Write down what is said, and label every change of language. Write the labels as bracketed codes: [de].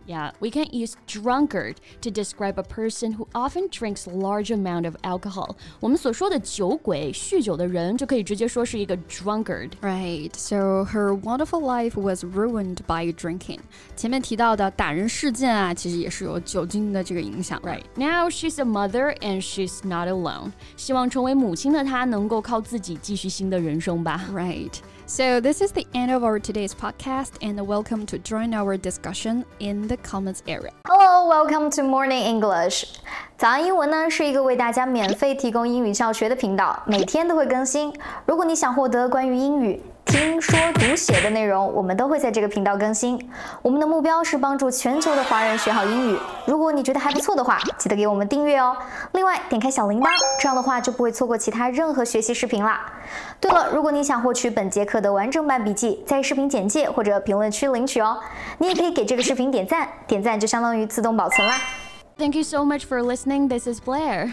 [en] Yeah, we can use drunkard to describe a person who often drinks large amount of alcohol. [zh] 我们所说的酒鬼，酗酒的人，就可以直接说是一个 drunkard. [en] Right, so her wonderful life was ruined by drinking. [zh] 前面提到的打人事件啊，其实也是有酒精的这个影响。 [en] Right, now she's a mother and she's not alone. [zh] 希望成为母亲的她能够靠自己继续新的人生吧。 [en] Right. So this is the end of our today's podcast and welcome to join our discussion in the comments area. Hello, welcome to Morning English. [zh] 早安英文呢是一个为大家免费提供英语教学的频道，每天都会更新。如果你想获得关于英语听说读写的内容，我们都会在这个频道更新。我们的目标是帮助全球的华人学好英语。如果你觉得还不错的话，记得给我们订阅哦。另外，点开小铃铛，这样的话就不会错过其他任何学习视频啦。对了，如果你想获取本节课的完整版笔记，在视频简介或者评论区领取哦。你也可以给这个视频点赞，点赞就相当于自动保存啦。 [en] Thank you so much for listening. This is Blair.